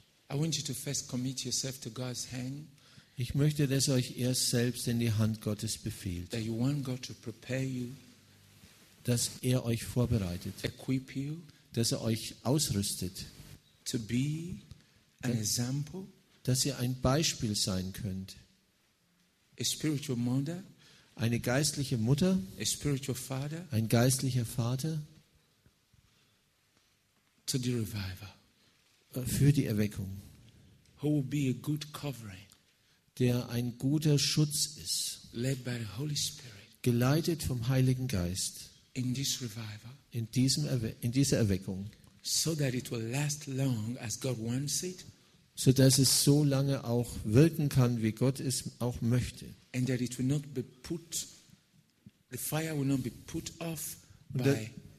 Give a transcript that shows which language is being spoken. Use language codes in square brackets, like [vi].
[en] I want you to first commit yourself to God's hand. [de] Ich möchte, dass euch erst selbst in die Hand Gottes befehlt. [en] That you want God to prepare you. [de] Dass er euch vorbereitet. [en] Equip you. [de] Dass er euch ausrüstet, [en] to be an example, [de] dass ihr ein Beispiel sein könnt, [en] a spiritual mother, [de] eine geistliche Mutter, [en] a spiritual father, [de] ein geistlicher Vater, [en] to the revival, [de] für die Erweckung, [en] who will be a good covering, [de] der ein guter Schutz ist, [en] led by the Holy Spirit, [de] geleitet vom Heiligen Geist. [en] In this revival, [de] in dieser Erweckung, [en] so that it will last long as God wants it, [de] so dass es so lange auch wirken kann, wie Gott es auch möchte, [en] and that it will not be put, the fire will not be put off by,